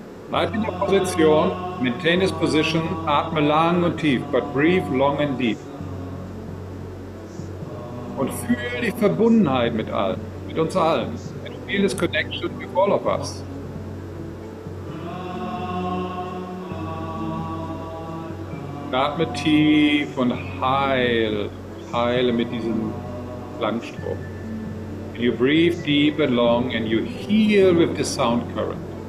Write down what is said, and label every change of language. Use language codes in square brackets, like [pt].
[de] Bleib in der Position, [en] maintain this position, [de] atme lang und tief, [en] but breathe long and deep. [de] Und fühle die Verbundenheit mit allen, mit uns allen. [en] And feel this connection with all of us. [de] Und atme tief und heil, heile mit diesem Klangstrom. [en] You breathe deep and long and you heal with the sound current.